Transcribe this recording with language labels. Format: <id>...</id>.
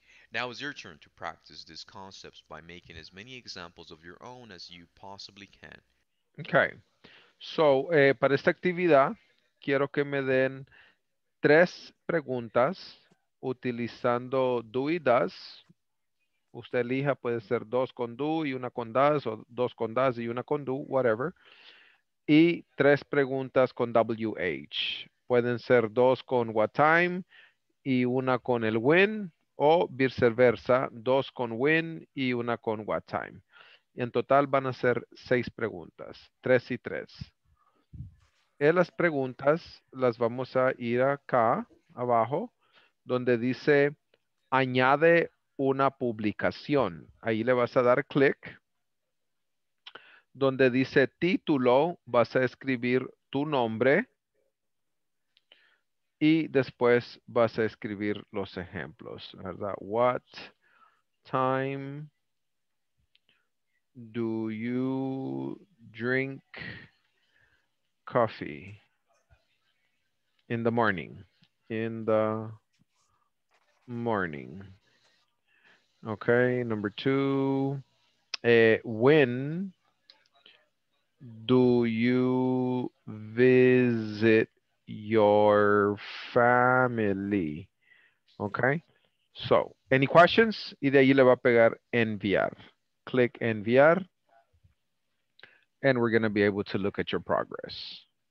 <en>Now it's your turn to practice these concepts by making as many examples of your own as you possibly can. Okay.</en> <es>So, para esta actividad, quiero que me den tres preguntas utilizando do y does. Usted elija, puede ser dos con do y una con does, o dos con does y una con do, whatever. Y tres preguntas con WH. Pueden ser dos con what time y una con el when, o viceversa, dos con when y una con what time. Y en total van a ser seis preguntas, tres y tres. En las preguntas las vamos a ir acá abajo, donde dice añade una publicación. Ahí le vas a dar clic. Donde dice título, vas a escribir tu nombre y después vas a escribir los ejemplos, ¿verdad?</es> <en>What time do you drink coffee in the morning? In the morning. Okay, number two, when do you visit your family? Okay. So, any questions?</en> <es>Y de ahí le va a pegar enviar. Click enviar.</es> <en>And we're going to be able to look at your progress.</en>